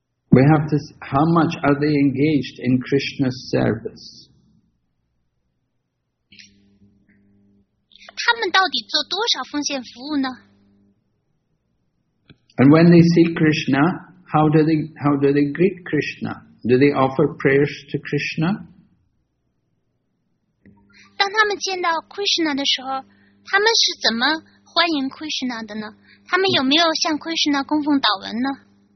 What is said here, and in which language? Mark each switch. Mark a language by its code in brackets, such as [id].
[en] We have to see how much are they engaged in Krishna's service？ [zh] 他们到底做多少奉献服务呢 [en] ？And when they see Krishna, how do they greet Krishna？Do they offer prayers to Krishna? [zh] 当他们见到 Krishna 的时候，他们是怎么欢迎 Krishna 的呢？他们有没有向 Krishna 供奉祷文呢？